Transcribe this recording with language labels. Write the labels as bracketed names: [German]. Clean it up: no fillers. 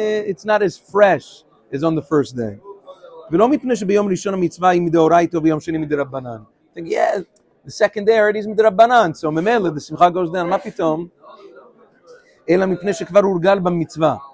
[English] It's not as fresh as on the first day. [Hebrew] ולא מפני שביום ראשון המצווה היא מדאורייתא וביום שני מדרבנן. [English] Like, yeah, the secondarity is מדרבנן, so ממילא, the שמחה goes down, [Hebrew] מה פתאום? אלא מפני שכבר הורגל במצווה.